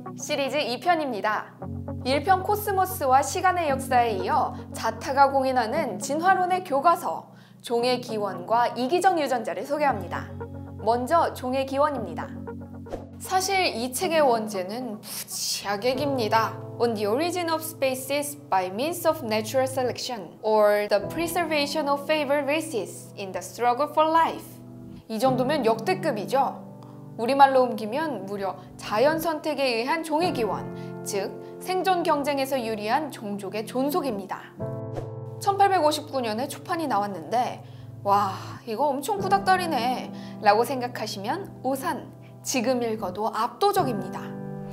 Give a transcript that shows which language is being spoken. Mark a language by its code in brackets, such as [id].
[ko] 시리즈 2편입니다. 1편 코스모스와 시간의 역사에 이어 자타가 공인하는 진화론의 교과서 종의 기원과 이기적 유전자를 소개합니다. 먼저 종의 기원입니다. 사실 이 책의 원제는 무지하게 깁니다. [en] On the Origin of Species by Means of Natural Selection or the Preservation of Favored Races in the Struggle for Life. [ko] 이 정도면 역대급이죠? 우리말로 옮기면 무려 자연 선택에 의한 종의 기원, 즉 생존 경쟁에서 유리한 종족의 존속입니다. 1859년에 초판이 나왔는데, 와, 이거 엄청 구닥다리네 라고 생각하시면 오산, 지금 읽어도 압도적입니다.